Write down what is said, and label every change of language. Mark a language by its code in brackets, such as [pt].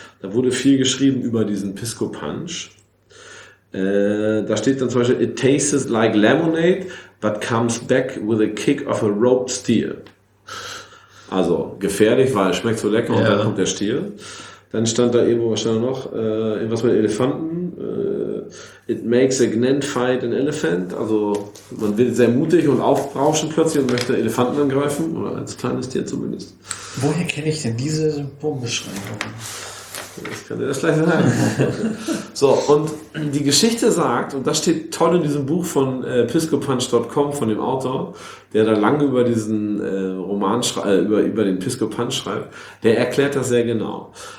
[de] Da wurde viel geschrieben über diesen Pisco Punch. Da steht dann zum Beispiel, [en] it tastes like lemonade, but comes back with a kick of a roped steer. [de] Also gefährlich, weil es schmeckt so lecker und dann kommt der Stier. Dann stand da irgendwo wahrscheinlich noch irgendwas mit Elefanten. [en] It makes a gnant fight an elephant. [de] Also man wird sehr mutig und aufbrauschen plötzlich und möchte Elefanten angreifen. Oder als kleines Tier zumindest. Woher kenne ich denn diese Symptombeschreibung? Ich kann dir das gleich sagen. So, und die Geschichte sagt, und das steht toll in diesem Buch von PiscoPunch.com, von dem Autor, der da lange über diesen Roman über den Pisco Punch schreibt, der erklärt das sehr genau.